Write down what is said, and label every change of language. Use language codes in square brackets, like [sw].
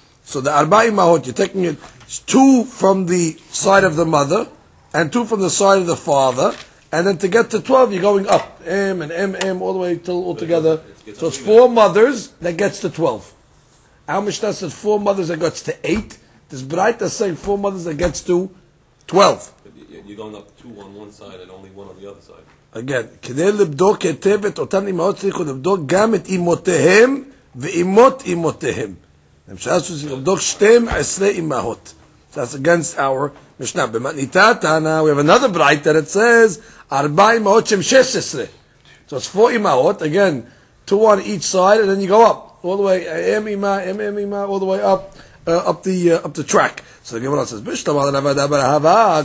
[en] So the arba imahot, you're taking it two from the side of the mother, and two from the side of the father, and then to get to 12, you're going up, M and M, M, all the way till altogether. So it's four mothers that gets to 12. Our Mishnah says four mothers that gets to 8. This Braita is saying four mothers that gets to 12. You don't have two on one side and only one on the other side. [he] Again, כדי לבדוק היטב את אותן אמהות צריכו לבדוק גם את אמותיהם ואמות אמותיהם. למשל, צריכו לבדוק 12 אמהות. [en] That's against our Mishnah. במתניתתנה, we have another bright that it says, 4 אמהות שם 16. So it's 4 אמהות, again, 2 on each side, and then you go up. All the way, אמה, all the way up. Up the track. So the Gemara says, [arc] "Bishta ma'ad rava da bar hava."